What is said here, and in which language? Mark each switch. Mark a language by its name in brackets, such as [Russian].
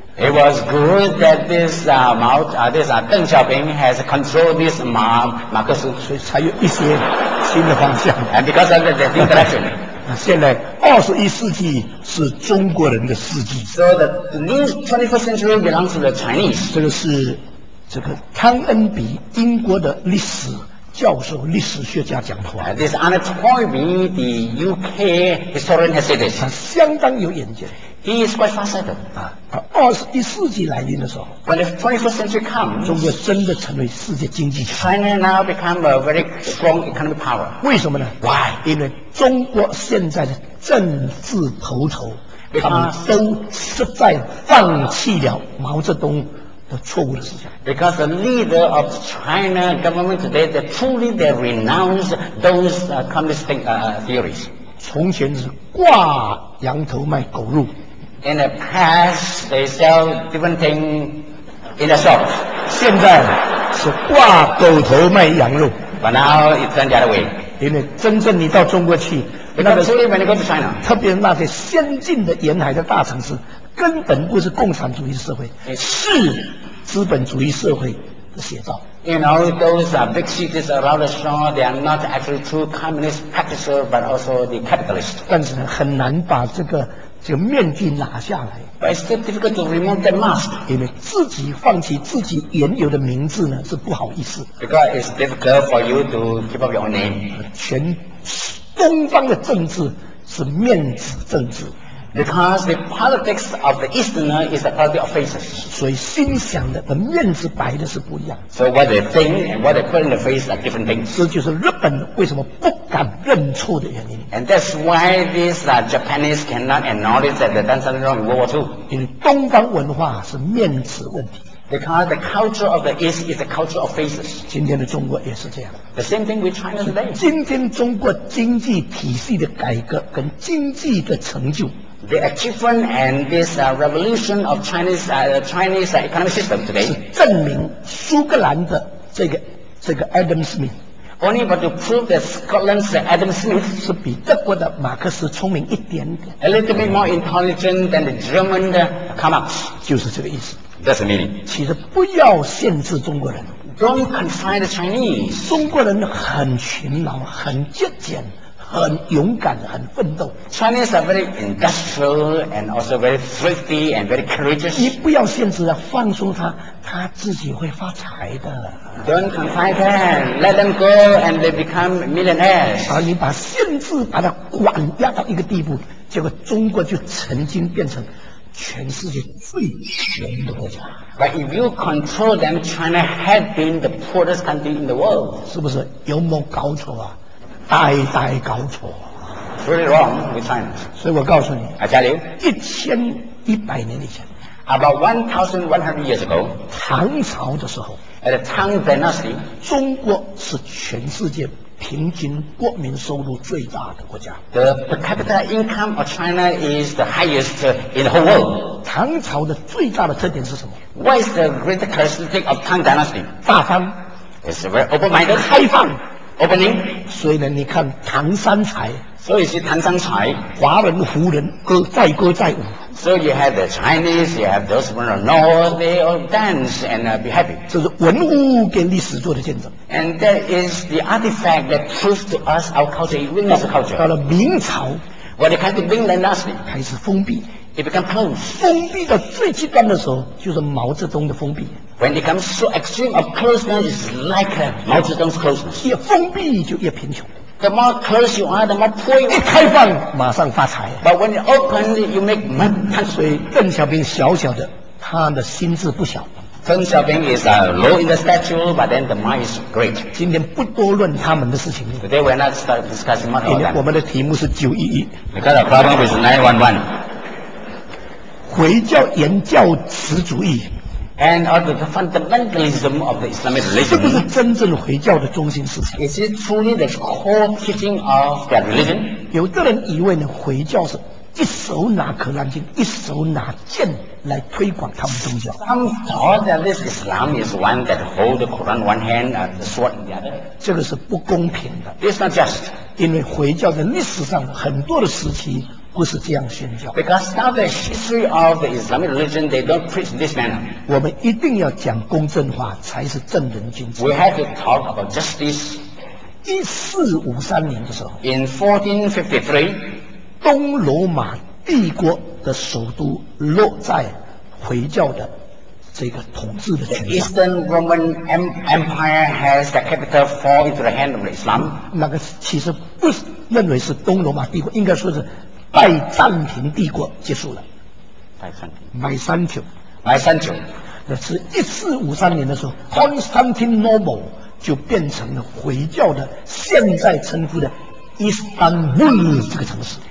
[English] It was good that this Mao, this Deng Xiaoping has controlled this Marxism, [Chinese] 所以才有一些新的方向。 [English] And because of the direction, [Chinese] 现在21世纪是中国人的世纪。 [English] So the new 21st century belongs to the Chinese. [Chinese] 这个是这个汤恩比英国的历史教授、历史学家讲的话。 [English] This Arnold Toynbee, the UK historian, has said this. [Chinese] 他相当有眼见。 [English] He is quite fascinating. [Chinese] 他21世纪来临的时候 [English] ，When the 21st century comes, [Chinese] 中国真的成为世界经济强。 [English] China now become a very strong economic power. [Chinese] 为什么呢 [English] ？Why? [Chinese] 因为中国现在的政治头头，他们都实在放弃了毛泽东的错误的思想。 [English] Because the leader of China government today, they truly they renounce those communist theories. [Chinese] 从前是挂羊头卖狗肉。 [English] In the past, they sell different things in the shops. [Chinese] 现在是挂狗头卖羊肉。 [English] But now it's turned the other way. [Chinese] 因为真正你到中国去，那个 [English] truly when you go to China, [Chinese] 特别那些先进的沿海的大城市，根本不是共产主义社会，是资本主义社会的写照。 [English] You know, those are big cities around the shore, they are not actually true communist practitioners, but also the capitalists. [Chinese] 但是很难把这个这个面具拿下来。 [English] But it's still difficult to remove the mask. [Chinese] 因为自己放弃自己原有的名字呢，是不好意思。 [English] Because it's difficult for you to keep up your name. [Chinese] 全东方的政治是面子政治。 [English] Because the politics of the Easterner is the politics of faces. [Chinese] 所以心想的和面子摆的是不一样。 [English] So what they think and what they put in the face are different things. [Chinese] 这就是日本为什么不敢认错的原因。 [English] And that's why these Japanese cannot acknowledge that they've done something wrong in World War II. [Chinese] 因为东方文化是面子问题。 [English] Because the culture of the East is the culture of faces. [Chinese] 今天的中国也是这样。 [English] The same thing with China today. [Chinese] 今天中国经济体系的改革跟经济的成就。 [English] The achievement and this revolution of Chinese economic system today [Chinese] 是证明苏格兰的这个 Adam Smith [English] only but to prove that Scotland's Adam Smith [Chinese] 是比德国的马克思聪明一点点 [English] a little bit more intelligent than the German Karl Marx [Chinese] 就是这个意思 [English] That's the meaning [Chinese] 其实不要限制中国人 [English] Don't confine the Chinese [Chinese] 中国人很勤劳很节俭很勇敢，很奋斗。 [English] Chinese are very industrial and also very thrifty and very courageous. [Chinese] 你不要限制，放松他，他自己会发财的。 [English] Don't confine them, let them go and they become millionaires. [Chinese] 而你把限制把它管压到一个地步，结果中国就曾经变成全世界最穷的国家。 [English] But if you control them, China had been the poorest country in the world. [Chinese] 是不是有没有搞错啊？呆呆搞错 [English] Really wrong with China [Chinese] 所以我告诉你 [English] I tell you [Chinese] 1100年以前 [English] About 1100 years ago [Chinese] 唐朝的时候 [English] At the Tang Dynasty [Chinese] 中国是全世界平均国民收入最大的国家 [English] The per capita income of China is the highest in the whole world [Chinese] 唐朝的最大的特点是什么 [English] What is the greatest characteristic of Tang Dynasty [Chinese] 大方 [English] It's a very open-minded [Chinese] 开放 [English] Opening. [Chinese] 所以呢，你看唐三彩，所以是唐三彩，华人、胡人歌载歌载舞。 [English] So you have the Chinese, you have those from the north. They all dance and be happy. [Chinese] 这是文物跟历史做的见证。 [English] And that is the artifact that proves to us our culture, even as a culture. [Chinese] 到了明朝 [English] ，when it came to Ming Dynasty, [Chinese] 开始封闭 [English] ，it became closed. [Chinese] 封闭到最极端的时候，就是毛泽东的封闭。 [English] When it comes so extreme of closeness, it's like Mao Zedong's closeness. [Chinese] 越封闭就越贫穷。 [English] The more close you are, the more poor you are. [Chinese] 一开放，马上发财。 [English] But when it opens, you make money. [Chinese] 所以邓小平小小的，他的心智不小。 [English] 邓小平 is low in the stature, but then the mind is great. [Chinese] 今天不多论他们的事情。 [English] Today we're not start discussing much about that. [Chinese] 我们的题目是九一一。 [English] Because our problem is 911. [Chinese] 回教原教旨主义。 [English] And also the fundamentalism of the Islamic religion. [Chinese] 是不是真正回教的中心思想 [English] Is it truly the core teaching of that religion? [Chinese] 有的人以为呢，回教是一手拿《可兰经》，一手拿剑来推广他们宗教。 [English] Some thought that this Islam is one that holds the Quran one hand and the sword the other. [Chinese] 这个是不公平的。 [English] It's not just. [Chinese] 因为回教在历史上很多的时期不是这样宣教。 [English] Because now the history of the Islamic religion, they don't preach this manner. [Chinese] 我们一定要讲公正话，才是正人君子。 [English] We have to talk about justice. [Chinese] 1453年的时候 [English] ，In 1453, [Chinese] 东罗马帝国的首都落在回教的这个统治的权下。 [English] The Eastern Roman Empire has the capital fall into the hand of the Islam. [Chinese] 那个其实不是认为是东罗马帝国，应该说是。拜占庭帝国结束了。拜占庭。 [English] Byzantium。 [Chinese] 是1453年的时候 ，Constantinople 就变成了回教的现在称呼的伊斯坦布尔这个城市。